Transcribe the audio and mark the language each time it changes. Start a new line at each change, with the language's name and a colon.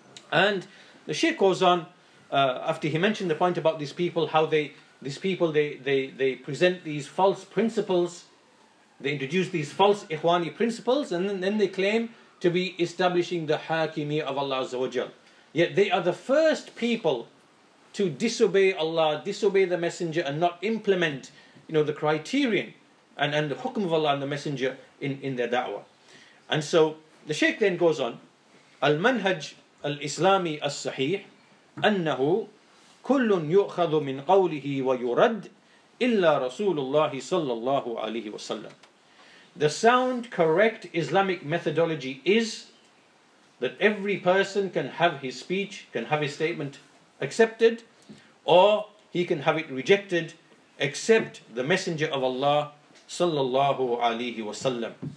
English: And the Shaykh goes on, after he mentioned the point about these people, how these people present these false principles, they introduce these false Ikhwani principles, and then they claim to be establishing the Hakimi of Allah Azza wa Jal. Yet they are the first people to disobey Allah, disobey the Messenger, and not implement, you know, the criterion and the hukm of Allah and the Messenger in their da'wah. And so the Shaykh then goes on,
Arabic: المنهج الإسلامي الصحيح أنه كل يؤخذ من قوله ويرد إلا رسول الله صلى الله عليه وسلم.
English: The sound correct Islamic methodology is that every person can have his speech, can have his statement accepted, or he can have it rejected, except the Messenger of Allah
Arabic: صلى الله عليه وسلم.